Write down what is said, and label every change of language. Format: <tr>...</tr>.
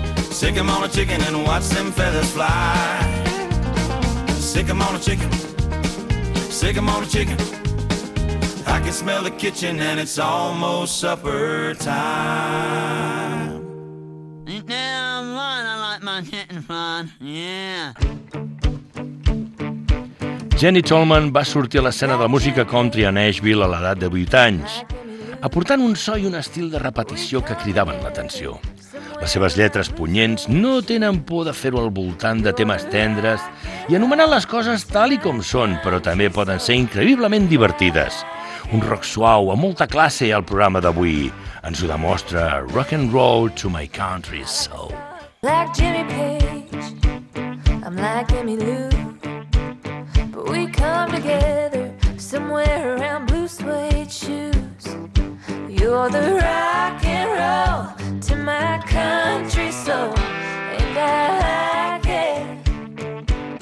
<en>Sick 'em on a chicken and watch them feathers fly. Sick 'em on a chicken, sick 'em on a chicken. I can smell the kitchen and it's almost supper time. Now I'm fine, I like my chicken fine, yeah.</en> <ca>Jenny Tolman va sortir a l'escena de la música country a Nashville a l'edat de 8 anys, aportant un so i un estil de repetició que cridaven l'atenció. Les seves lletres punyents no tenen por de fer-ho al voltant de temes tendres i anomenant les coses tal i com són, però també poden ser increïblement divertides. Un rock suau amb molta classe al programa d'avui. Ens ho demostra Rock and Roll to My Country Soul.</ca> <en>Like Jimmy Page, I'm like Emmy Lou, but we come together somewhere around blue suede shoes. You're the rock and roll to my country soul, and I like it.</en>